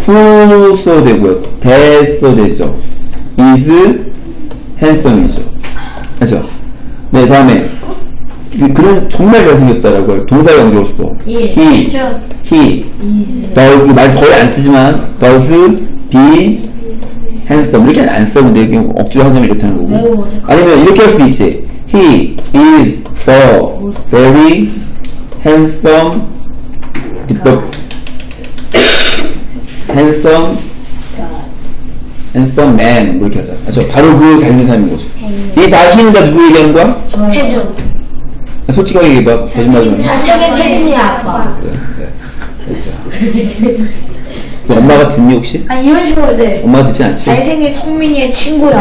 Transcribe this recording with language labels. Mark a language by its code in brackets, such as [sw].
[ko] Who 써도 되고요. That 써도 되죠. [en] Is handsome [ko] 이죠. 그죠? 네, 다음에. 그는 정말 잘생겼다라고 해요. 동사 강조하고 싶어. [en] He. He. Does. [ko] 말 거의 안 쓰지만, [en] Does be handsome. [ko] 이렇게 안 써. 근데 이게 억지로 하자면 이렇게 하는 거고. 아니면 이렇게 할 수도 있지. [en] He is the very handsome handsome man [ko] 뭐 이렇게 하자. 아, 저 바로 그 잘생긴 사람인 거죠. 이 다 힘은 다 누구 얘기하는 거야? 태준. 아, 솔직하게 얘기해봐. 거짓말 좀 해. 잘생긴 태준이야 아빠. 그렇죠. 엄마가 듣니 혹시? 아니 이런 식으로 돼. 엄마가 듣지 않지? 잘생긴 송민이의 친구야.